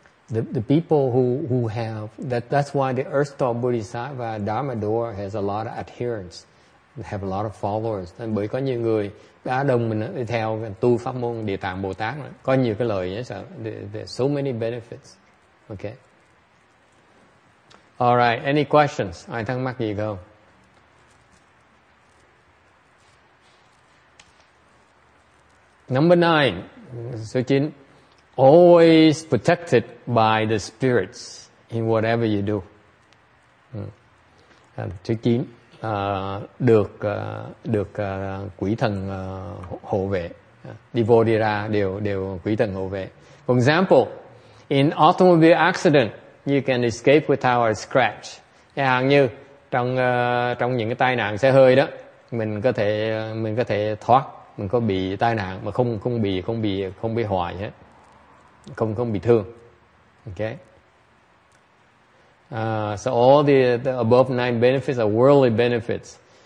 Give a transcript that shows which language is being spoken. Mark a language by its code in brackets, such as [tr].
[en] The people who have that's why the Earth Store Bodhisattva Dharma Door has a lot of adherents, have a lot of followers. [vi] Nên bởi có nhiều người đã đồng mình đi theo tu pháp môn Địa Tạng Bồ Tát nữa. Có nhiều cái lợi nhé, sợ. [en] There's so many benefits. Okay. All right. Any questions? [vi] Ai thắc mắc gì không? [en] Number 9, [vi] số 9, [en] always protected by the spirits in whatever you do. [vi] Số 9, được quỷ thần hộ vệ, đi vô đi ra đều quỷ thần hộ vệ. [en] For example, in automobile accident, you can escape without a scratch. [vi] Hàng như trong những cái tai nạn xe hơi đó, mình có thể thoát. Mình có bị tai nạn mà không bị hoại hết, không bị thương. [en] Okay. So all the above 9 benefits are worldly benefits.